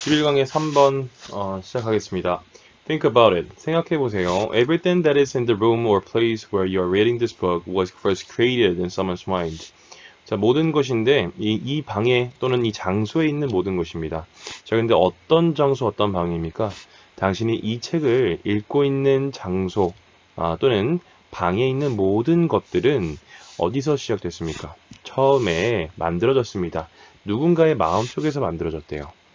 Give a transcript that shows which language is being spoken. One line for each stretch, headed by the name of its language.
Korean: 11 강의 3번 시작하겠습니다.
English: Think about it.
Korean: 생각해보세요.
English: Everything that is in the room or place where you are reading this book was first created in someone's mind.
Korean: 자, 모든 것인데, 이 방에 또는 이 장소에 있는 모든 것입니다. 자, 근데 어떤 장소, 어떤 방입니까? 당신이 이 책을 읽고 있는 장소, 또는 방에 있는 모든 것들은 어디서 시작됐습니까? 처음에 만들어졌습니다. 누군가의 마음속에서 만들어졌대요.